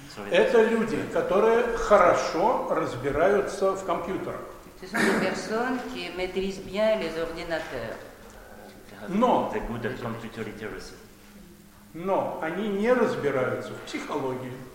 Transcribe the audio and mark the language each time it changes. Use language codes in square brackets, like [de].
[ru] Это люди, которые хорошо разбираются в компьютерах. [fr] Ce sont des personnes qui maîtrisent bien les ordinateurs. [ru] Но они не разбираются в психологии.